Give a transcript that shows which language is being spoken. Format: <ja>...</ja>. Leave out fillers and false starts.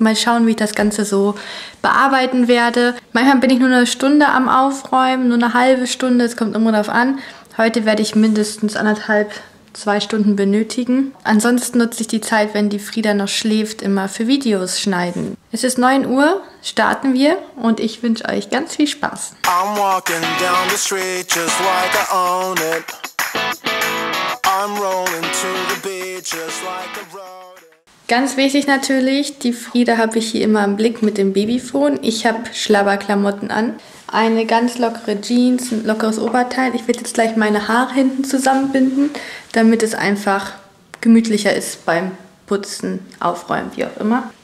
<de>Mal schauen, wie ich das Ganze so bearbeiten werde. Manchmal bin ich nur eine Stunde am Aufräumen, nur eine halbe Stunde, es kommt immer darauf an. Heute werde ich mindestens 1,5-2 Stunden benötigen. Ansonsten nutze ich die Zeit, wenn die Frieda noch schläft, immer für Videos schneiden. Es ist 9 Uhr, starten wir und ich wünsche euch ganz viel Spaß.</de> <en>I'm walking down the street just like I own it. I'm rolling to the beach just like I wrote it.</en> <de>Ganz wichtig natürlich, die Frieda habe ich hier immer im Blick mit dem Babyfon. Ich habe Schlabberklamotten an. Eine ganz lockere Jeans, ein lockeres Oberteil. Ich werde jetzt gleich meine Haare hinten zusammenbinden, damit es einfach gemütlicher ist beim Putzen, Aufräumen, wie auch immer.</de>